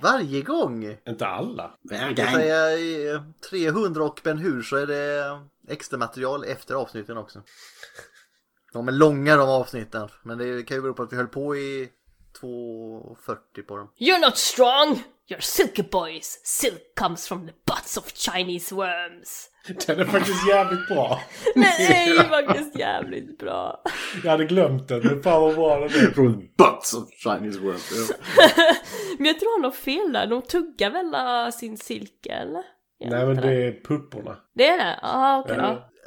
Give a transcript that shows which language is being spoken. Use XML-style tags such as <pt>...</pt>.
<sv>Varje gång? Inte alla. Varje gång. 300 och Ben Hur så är det extra material efter avsnitten också. De är långa de avsnitten. Men det kan ju bero på att vi höll på i 2:40 på dem.</sv> <en>You're not strong! You're silky boys! Silk comes from the butts of Chinese worms!</en> <sv>Den är faktiskt jävligt bra. Nej, det är ju faktiskt jävligt bra. Jag hade glömt den, men fan vad bra den är.</sv> <en>From butts of Chinese worms.</en> <sv>Ja. Men jag tror han har fel där. De tuggar väl sin silke, eller? Nej, men det är pupporna. Det är det? Ja, okej.</sv>